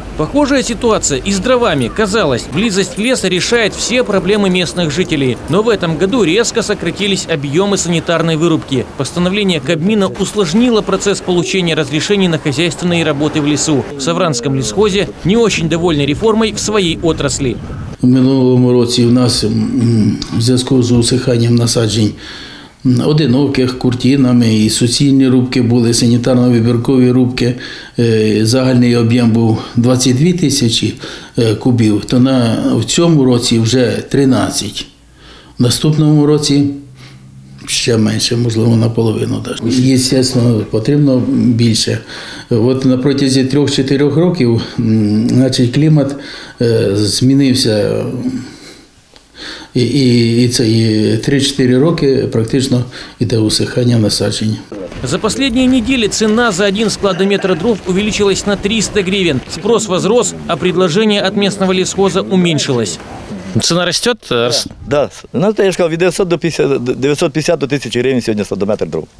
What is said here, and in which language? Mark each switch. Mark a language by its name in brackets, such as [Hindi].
[Russian] Похожая ситуация и с дровами. Казалось, близость леса решает все проблемы местных жителей. Но в этом году резко сократились объемы санитарной вырубки. Постановление Кабмина усложнило процесс получения разрешений на хозяйственные работы в лесу. В Савранском лесхозе не очень довольны реформой в своей отрасли. [Ukrainian] В минулом году у нас [Russian] в связи с усыханием [Ukrainian] насаджень одиноких, куртинами, і суцільні рубки були, санітарно-вибіркові рубки. Загальний об'єм був 22 тисячі кубів, то на в цьому році вже 13. В наступному році ще менше, можливо, наполовину. Звісно, потрібно більше. От на протязі 3-4 років, значить, клімат змінився. І 3-4 роки практично йде усихання насадження. [Russian] За последние недели цена за один складометр дров увеличилась на 300 гривен. Спрос возрос, а предложение от местного лесхоза уменьшилось. Цена растет? Да. Знаете, я же сказал, 950 до 1000 гривен сегодня складометр дров.